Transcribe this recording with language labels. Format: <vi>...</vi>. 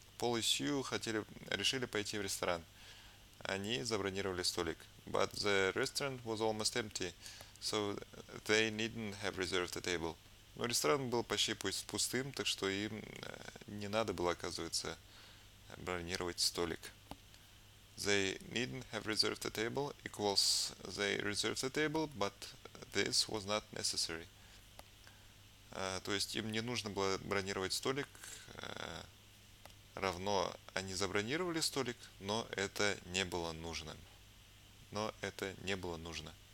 <ru>Пол и Сью решили пойти в ресторан. Они забронировали столик.</ru> <en>But the restaurant was almost empty, so they needn't have reserved a table.</en> <ru>Но ресторан был почти пустым, так что им не надо было, оказывается, бронировать столик.</ru> <en>They needn't have reserved a table equals they reserved a table, but this was not necessary.</en> <ru>То есть им не нужно было бронировать столик, равно они забронировали столик, но это не было нужным. но это не было нужно.</ru>